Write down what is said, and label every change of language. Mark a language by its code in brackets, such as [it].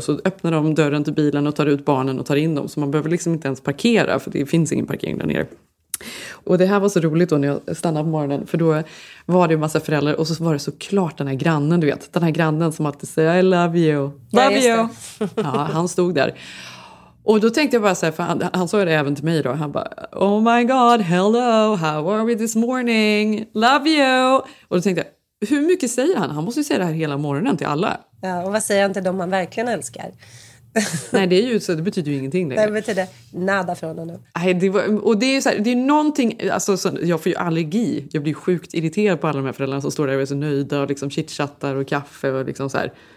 [sv] Och så öppnar de dörren till bilen och tar ut barnen och tar in dem. Så man behöver liksom inte ens parkera för det finns ingen parkering där nere. Och det här var så roligt då när jag stannade på morgonen. För då var det ju en massa föräldrar. Och så var det såklart den här grannen, du vet. Den här grannen som alltid säger, [en] I love you. Love you. [sv] Ja, han stod där. Och då tänkte jag bara säga, för han sa det även till mig då. Han bara, [en] oh my god, hello, how are we this morning? Love you. [sv] Och då tänkte jag, hur mycket säger han? Han måste ju säga det här hela morgonen till alla. Ja, och vad säger han till dem han verkligen älskar? Nej, det är ju så, det betyder ju ingenting längre. Det betyder nada från honom. Nej, det var, och det är ju så här, det är någonting, alltså så, jag får ju allergi. Jag blir sjukt irriterad på alla de här föräldrarna som står där och är så nöjda och liksom chitchattar och kaffe och liksom så här.